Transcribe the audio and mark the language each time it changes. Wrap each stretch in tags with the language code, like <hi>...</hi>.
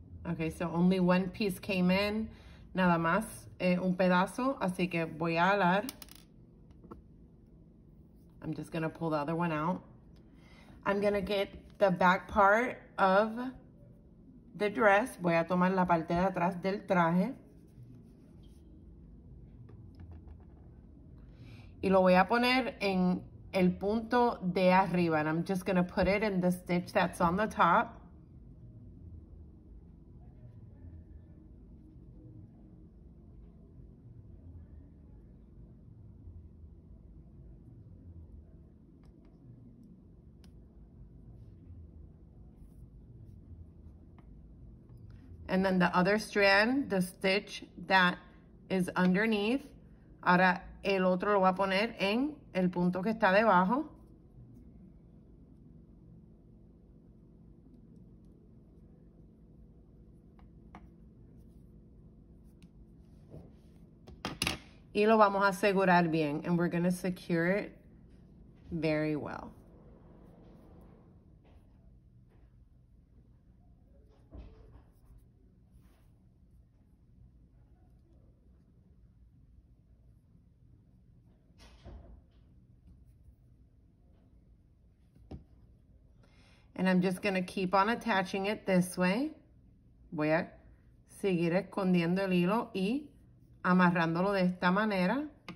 <en>Okay, so only one piece came in,</en> <es>nada más un pedazo, así que voy a alar.</es> <en>I'm just gonna pull the other one out. I'm gonna get the back part of the dress.</en> <es>Voy a tomar la parte de atrás del traje. Y lo voy a poner en el punto de arriba.</es> <en>And I'm just gonna put it in the stitch that's on the top. And then the other strand, the stitch that is underneath.</en> <es>Ahora el otro lo voy a poner en el punto que está debajo. Y lo vamos a asegurar bien.</es> <en>And we're going to secure it very well. And I'm just gonna keep on attaching it this way.</en> <es>Voy a seguir escondiendo el hilo y amarrándolo de esta manera.</es>